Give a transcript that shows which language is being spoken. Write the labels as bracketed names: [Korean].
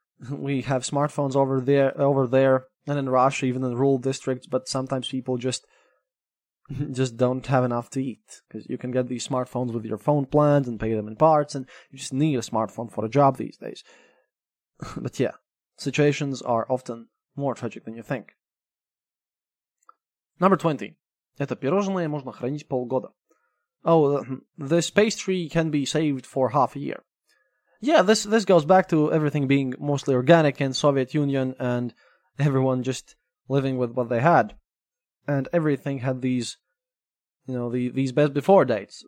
[English] We have smartphones over there, and in Russia, even in rural districts, but sometimes people just don't have enough to eat. Because you can get these smartphones with your phone plans and pay them in parts, and you just need a smartphone for a job these days. But yeah, situations are often more tragic than you think. Number 20. [Russian] Это пирожное можно хранить полгода. [English] Oh, this pastry can be saved for half a year. Yeah, this goes back to everything being mostly organic in Soviet Union and everyone just living with what they had. And everything had these, you know, these best before dates.